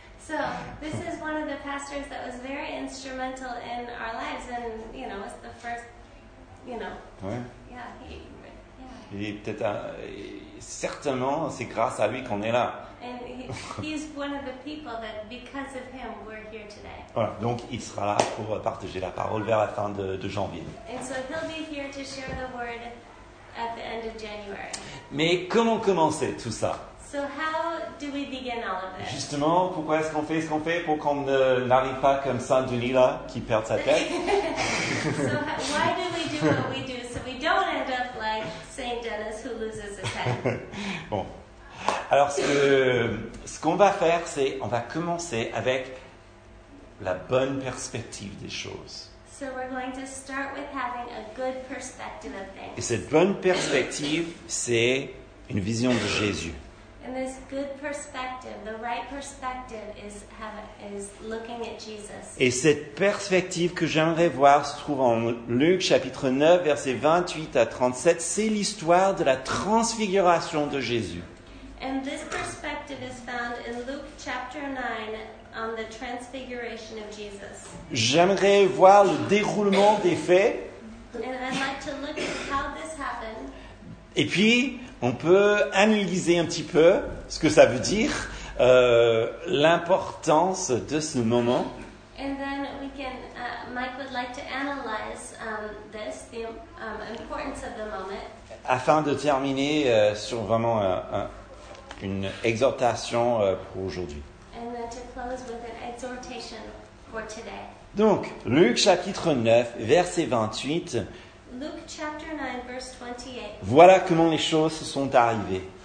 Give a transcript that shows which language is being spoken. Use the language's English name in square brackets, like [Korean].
[English] So, this is one of the pastors that was very instrumental in our lives and, you know, was the first, you know. [French] Ouais. [English] Yeah. [French] Et peut-être, certainement, c'est grâce à lui qu'on est là. [English] And he's one of the people that, because of him, we're here today. [French] Voilà, donc il sera là pour partager la parole vers la fin de janvier. [English] And so he'll be here to share the word at the end of January. [French] Mais comment commencer tout ça? [English] So how do we begin all of this? [French] Justement, pourquoi est-ce qu'on fait ce qu'on fait pour qu'on ne, n'arrive pas comme Saint Denis là, qui perd sa tête? [English] So why do we do what we do so we don't end up like Saint Denis who loses his head? [French] Bon. Alors ce qu'on va faire, c'est on va commencer avec la bonne perspective des choses. [English] So we're going to start with having a good perspective of things. [French] Et cette bonne perspective, c'est une vision de Jésus. [English] And this good perspective, the right perspective is looking at Jesus. [French] Et cette perspective que j'aimerais voir se trouve en Luc chapitre 9 versets 28 à 37, c'est l'histoire de la transfiguration de Jésus. [English] And this perspective is found in Luke chapter 9 on the transfiguration of Jesus. [French] J'aimerais voir le déroulement des faits. [English] And I'd like to look at how this happened. [French] Et puis on peut analyser un petit peu ce que ça veut dire, l'importance de ce moment. [English] And then we can, Mike would like to analyze this, the importance of the moment. [French] Afin de terminer sur vraiment une exhortation pour aujourd'hui. [English] And then to close with an exhortation for today. [French] Donc, Luc chapitre 9, verset 28. [English] Luke chapter 9, verse 28. [French] Voilà comment les choses se sont arrivées.